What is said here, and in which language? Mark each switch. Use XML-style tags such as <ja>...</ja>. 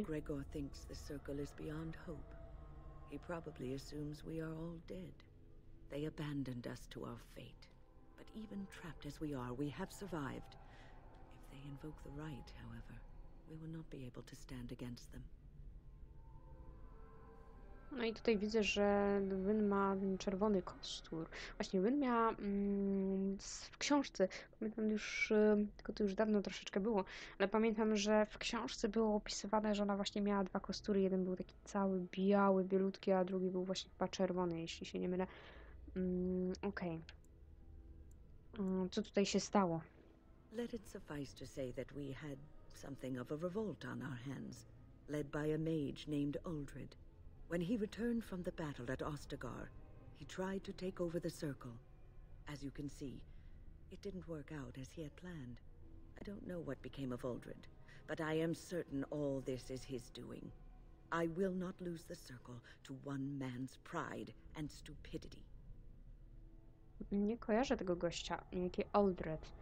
<en>So Gregor thinks the Circle is beyond hope. He probably assumes we are all dead. They abandoned us to our fate. But even trapped as we are, we have survived. If they invoke the right, however, we will not be able to stand against them.</en> <pl>No i tutaj widzę, że Wyn ma czerwony kostur. Właśnie, Wyn miała w książce, pamiętam już, tylko to już dawno troszeczkę było, ale pamiętam, że w książce było opisywane, że ona właśnie miała dwa kostury. Jeden był taki cały biały, bielutki, a drugi był właśnie chyba czerwony, jeśli się nie mylę. Okej. Co tutaj się stało?</pl> <en>Let it suffice to say that we had something of a revolt on our hands, led by a mage named Uldred. When he returned from the battle at Ostagar, he tried to take over the Circle. As you can see, it didn't work out as he had planned. I don't know what became of Uldred, but I am certain all this is his doing. I will not lose the Circle to one man's pride and stupidity.</en> <pl>Nie kojarzę tego gościa, jaki Uldred.</pl>